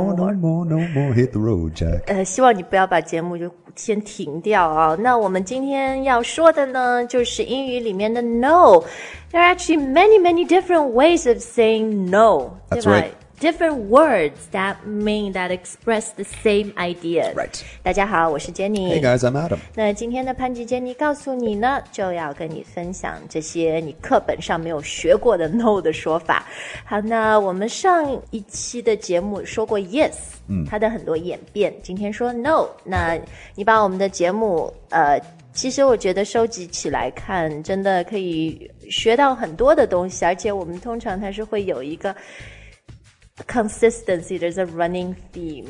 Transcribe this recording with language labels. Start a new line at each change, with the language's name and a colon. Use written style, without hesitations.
English: no more, no more, hit the road, Jack.
Chinese: 希望你不要把节目就先停掉啊。那我们今天要说的呢，就是英语里面的 No.
English: There are actually many, many different ways of saying no. That's right. Different words that mean that express the same idea. Right.
Chinese: 大家好，我是 Jenny.
English: Hey guys, I'm Adam.
Chinese: 那今天的潘吉 Jenny 告诉你呢，就要跟你分享这些你课本上没有学过的 no 的说法。好，那我们上一期的节目说过 yes，它的很多演变。今天说 no， 那你把我们的节目其实我觉得收集起来看，真的可以学到很多的东西，而且我们通常它是会有一个consistency,
English: there's a running theme.